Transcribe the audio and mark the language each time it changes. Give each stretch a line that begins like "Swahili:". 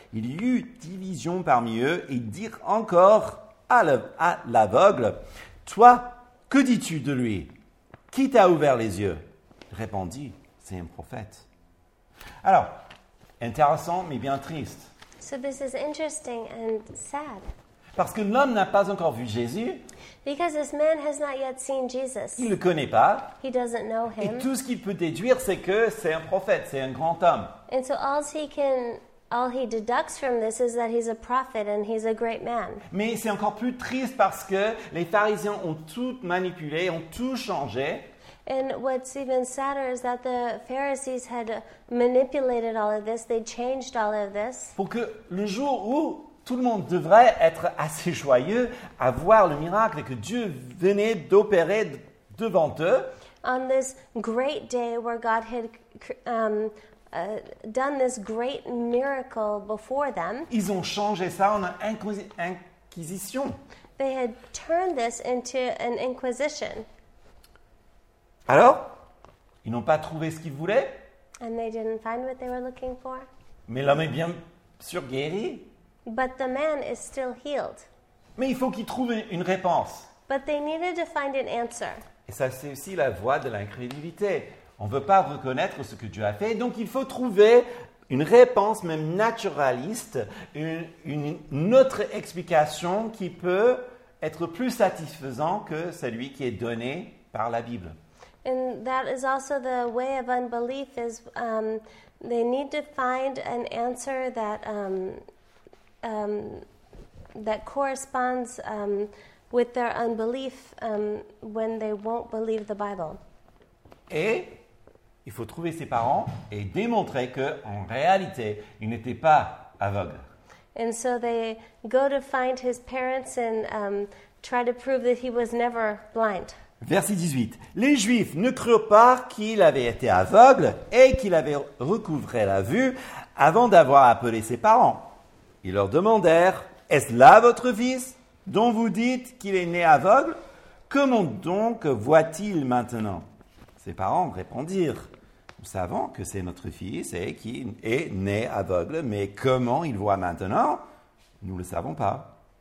French: Il y eut division parmi eux et dirent encore à l'aveugle, toi, que dis-tu de lui? Qui t'a ouvert les yeux? Répondit, c'est un prophète. Alors, intéressant mais bien triste.
English: So this is interesting and sad.
French: Parce que l'homme n'a pas encore vu Jésus.
English: Because this man has not yet seen Jesus.
French: Il ne le connaît pas.
English: He doesn't know him.
French: Et tout ce qu'il peut déduire, c'est que c'est un prophète, c'est un grand homme.
English: And so all he deducts from this is that he's a prophet and he's a great man.
French: Mais c'est encore plus triste parce que les pharisiens ont tout manipulé, ont tout changé.
English: And what's even sadder is that the Pharisees had manipulated all of this. They changed all of this.
French: Pour que le jour où tout le monde devrait être assez joyeux à voir le miracle que Dieu venait d'opérer devant eux.
English: On this great day where God had done this great miracle before them.
French: Ils ont changé ça en inquisition.
English: They had turned this into an inquisition.
French: Alors, ils n'ont pas trouvé ce qu'ils voulaient.
English: And they didn't find what they were looking for.
French: Mais l'homme est bien sûr guéri.
English: But the man is still healed.
French: Mais il faut qu'ils trouvent une réponse.
English: But they needed to find an answer.
French: Et ça, c'est aussi la voie de l'incrédulité. On ne veut pas reconnaître ce que Dieu a fait, donc il faut trouver une réponse, même naturaliste, une autre explication qui peut être plus satisfaisante que celui qui est donné par la Bible.
English: And that is also the way of unbelief is they need to find an answer that that corresponds with their unbelief when they won't believe the Bible.
French: Et il faut trouver ses parents et démontrer que en réalité, il n'était pas aveugle.
English: And so they go to find his parents and try to prove that he was never blind.
French: Verset 18. Les Juifs ne crurent pas qu'il avait été aveugle et qu'il avait recouvré la vue avant d'avoir appelé ses parents. Ils leur demandèrent, est-ce là votre fils dont vous dites qu'il est né aveugle? Comment donc voit-il maintenant? Ses parents répondirent, nous savons que c'est notre fils et qu'il est né aveugle, mais comment il voit maintenant? Nous ne le savons pas.